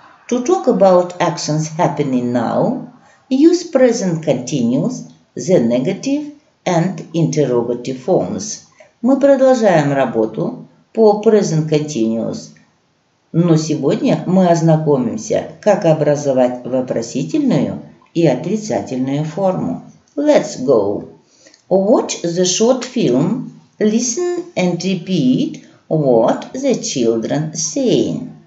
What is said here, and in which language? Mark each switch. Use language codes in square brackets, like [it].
[en] To talk about actions happening now, use present continuous, the negative and interrogative forms. [ru] Мы продолжаем работу по present continuous. Но сегодня мы ознакомимся, как образовать вопросительную и отрицательную форму. [en] Let's go! Watch the short film, listen and repeat what the children say.